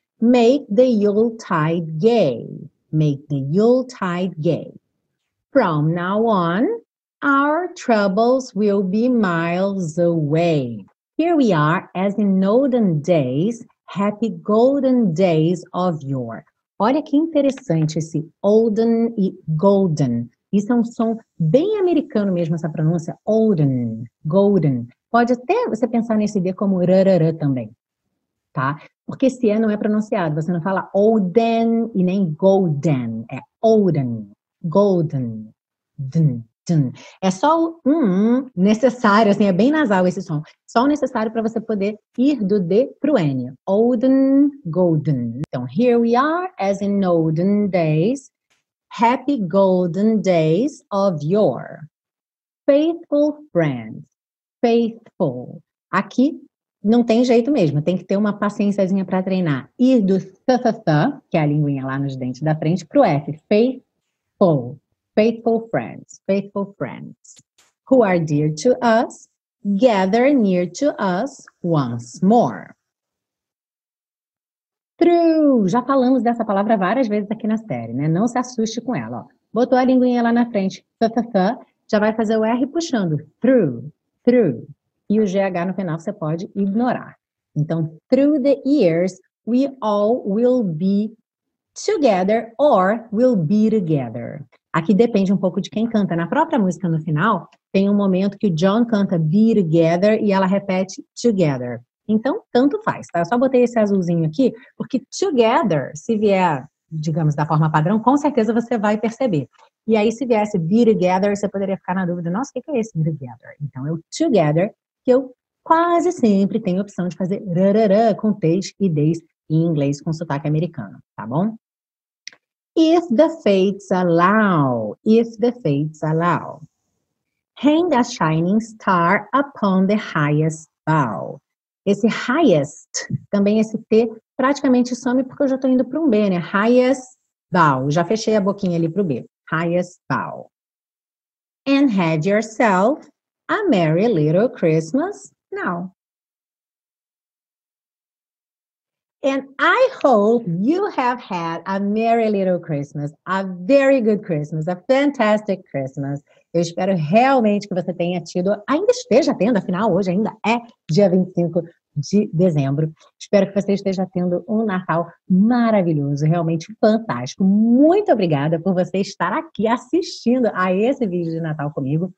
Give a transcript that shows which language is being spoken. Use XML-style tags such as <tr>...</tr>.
<en>Make the Yuletide gay. Make the Yuletide gay. From now on, our troubles will be miles away. Here we are, as in olden days, happy golden days of yore.</en> <pt>Olha que interessante esse olden e golden. Isso é um som bem americano mesmo, essa pronúncia. Olden, golden. Pode até você pensar nesse D como rarara também. Tá? Porque esse E não é pronunciado, você não fala olden e nem golden, é olden, golden, dn, É só o necessário, assim, é bem nasal esse som. Só o necessário para você poder ir do D pro N.</pt> <en>Olden, golden. Então, here we are, as in olden days. Happy golden days of yore. Faithful friends. Faithful.</en> <pt>Aqui não tem jeito mesmo, tem que ter uma paciênciazinha para treinar. Ir do th, que é a linguinha lá nos dentes da frente, pro F.</pt> <en>Faithful. Faithful friends, faithful friends, who are dear to us, gather near to us once more. True!</en> <pt>Já falamos dessa palavra várias vezes aqui na série, né? Não se assuste com ela. Ó. Botou a linguinha lá na frente, já vai fazer o R puxando.</pt> <en>True, true.</en> <pt>E o GH no final você pode ignorar. Então, through the years, we all will be together or will be together. Aqui depende um pouco de quem canta. Na própria música, no final, tem um momento que o John canta Be Together e ela repete Together. Então, tanto faz, tá? Eu só botei esse azulzinho aqui, porque Together, se vier, digamos, da forma padrão, com certeza você vai perceber. E aí, se viesse Be Together, você poderia ficar na dúvida, nossa, o que é esse Be Together? Então, é o Together, que eu quase sempre tenho a opção de fazer rarará com T's e D's em inglês com sotaque americano, tá bom?</pt> <en>If the fates allow, if the fates allow. Hang a shining star upon the highest bough.</en> <pt>Esse highest, também esse T, praticamente some porque eu já estou indo para um B, né?</pt> <en>Highest bough.</en> <pt>Já fechei a boquinha ali para o B.</pt> <en>Highest bough. And have yourself a merry little Christmas now. And I hope you have had a merry little Christmas, a very good Christmas, a fantastic Christmas.</en> <pt>Eu espero realmente que você tenha tido, ainda esteja tendo, afinal hoje ainda é dia 25 de dezembro. Espero que você esteja tendo um Natal maravilhoso, realmente fantástico. Muito obrigada por você estar aqui assistindo a esse vídeo de Natal comigo.</pt>